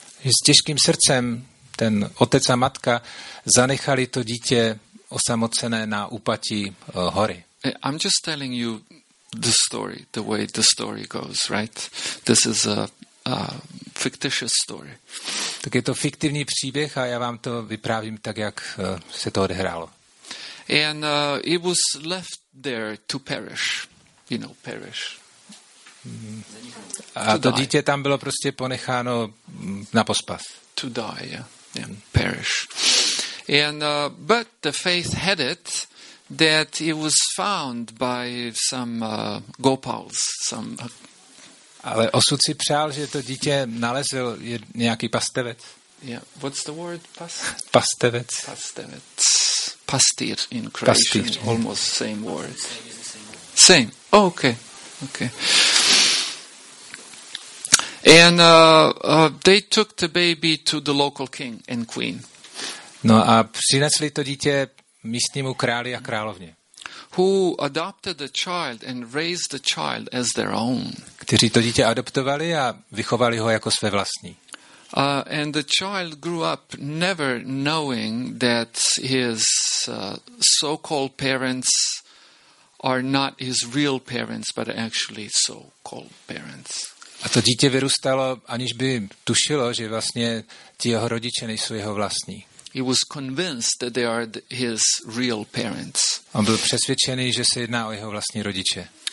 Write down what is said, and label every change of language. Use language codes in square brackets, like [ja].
[cs] S těžkým srdcem ten otec a matka zanechali to dítě osamocené na úpatí hory. [en] I'm just telling you the story, the way the story goes, right? This is a fictitious story. [cs] Tak je to fiktivní příběh a já vám to vyprávím tak, jak se to odehrálo. [en] And it was left there to perish. You know, perish. [cs] A to dítě tam bylo prostě ponecháno na pospas. [en] To die, yeah. And perish. And but the faith had it that it was found by some gopals, some... [cs] Ale osud si přál, že to dítě nalezl nějaký pastevec. [en] Yeah. What's the word? [cs] Pastevec. [en] Pastevec. Pastýr in Croatian. [cs] Pastýr. [en] Almost same word. Same. Oh, okay. And they took the baby to the local king and queen. [cs] No a přinesli to dítě místnímu králi a královně. [en] who adopted the child and raised the child as their own. [cs] Kteří to dítě adoptovali a vychovali ho jako své vlastní. [en] And the child grew up never knowing that his so-called parents are not his real parents, but actually so-called parents. [cs] A to dítě vyrůstalo, aniž by tušilo, že vlastně ti jeho rodiče nejsou jeho vlastní. [en] He was convinced that they are his real parents. [cs] On byl přesvědčený, že se jedná o jeho vlastní rodiče.